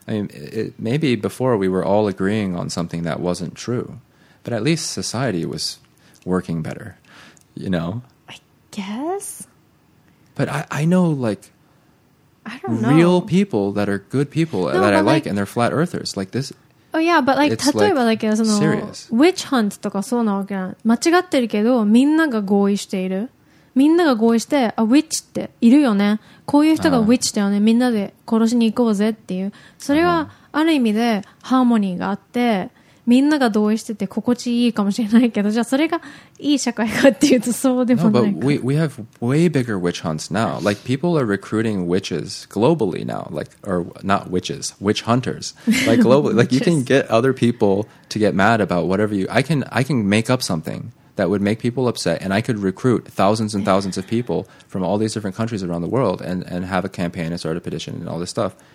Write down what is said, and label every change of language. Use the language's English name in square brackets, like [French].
[English] I mean, it, maybe before we were all agreeing on something that wasn't true, but at least society was working better, you know? I guess. But I know like, I don't know. Real people that are good people, no, that I like, and they're flat earthers. Like this, [Japanese] Oh, yeah, but like, 例えばだけど、その、ウィッチハントとかそうなわけない。間違ってるけど、みんなが合意している。みんなが合意して、あ、ウィッチっているよね。こういう人がウィッチだよね。みんなで殺しに行こうぜっていう。それは、ある意味で、ハーモニーがあって、みんなが同意してて心地いいかもしれないけど、じゃあそれがいい社会かっていうとそうでもないか。 [English] No, but we have way bigger witch hunts now. Like, people are recruiting witches globally now. Like, or not witches, witch hunters. Like, globally. Like, you can get other people to get mad about whatever you... I can make up something that would make people upset, and I could recruit thousands and thousands of people from all these different countries around the world and have a campaign and start a petition and all this stuff.